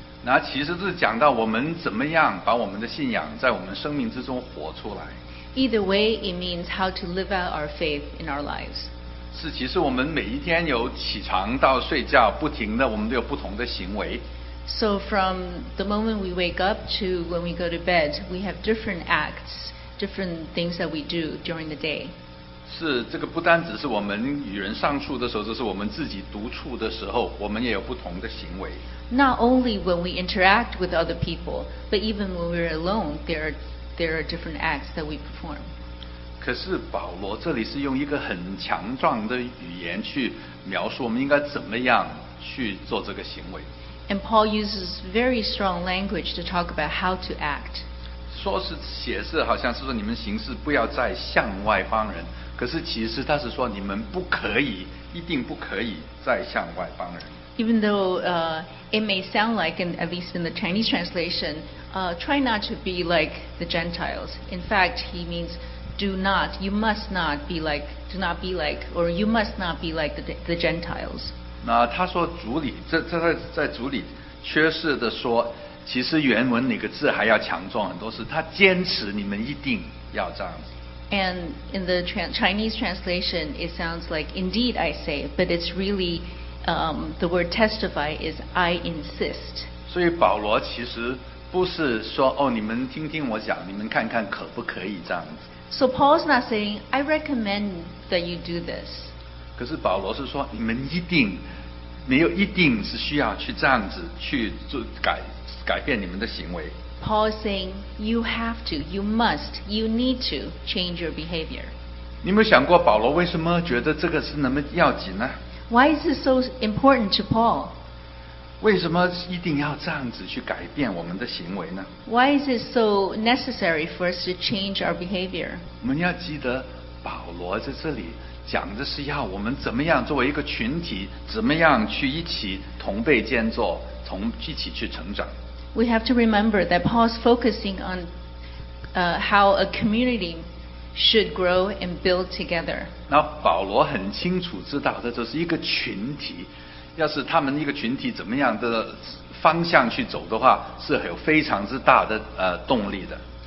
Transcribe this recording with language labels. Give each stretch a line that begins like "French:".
Chinese: 那其实是讲到我们怎么样把我们的信仰在我们生命之中活出来。
English: Either way, it means how to live out our faith in our lives.
Chinese: 是，其实我们每一天有起床到睡觉，不停的我们都有不同的行为。
English: So from the moment we wake up to when we go to bed, we have different acts, different things that we do during the day.
Chinese: 是，这个不单只是我们与人相处的时候，这是我们自己独处的时候，我们也有不同的行为。
English: Not only when we interact with other people, but even when we're alone, there are different acts that we perform.
Chinese: 可是保罗这里是用一个很强壮的语言去描述我们应该怎么样去做这个行为。
English: And Paul uses very strong language to talk about how to act.
Chinese: 说是写是好像是说你们行事不要再像外邦人，可是其实他是说你们不可以，一定不可以再像外邦人。
English: Even though it may sound like, and at least in the Chinese translation, try not to be like the Gentiles. In fact, he means do not, you must not be like, do not be like, or you must not be like the Gentiles.
Chinese: 那他说主里在主里缺失的说，其实原文那个字还要强壮很多，是他坚持你们一定要这样子。
English: And in the Chinese translation, it sounds like indeed I say, but it's really the word testify is I insist.
Chinese: 所以保罗其实不是说哦，你们听听我讲，你们看看可不可以这样子。
English: So Paul's not saying I recommend that you do this.
Chinese: 可是保罗是说你们一定没有一定是需要去这样子去做改变你们的行为。
English: Paul is saying you have to, you must, you need to change your behavior.
Chinese: 你有没有想过保罗为什么觉得这个是那么要紧呢？
English: Why is this so important to Paul?
Chinese: 为什么一定要这样子去改变我们的行为呢？
English: Why is it so necessary for us to change our behavior?
Chinese: 我们要记得保罗在这里讲的是要我们怎么样作为一个群体，怎么样去一起同被建造，同一起去成长。
English: We have to remember that Paul's focusing on how a community should grow and build together.
Chinese: 那保罗很清楚知道，这就是一个群体。要是他们一个群体怎么样的方向去走的话，是有非常之大的动力的。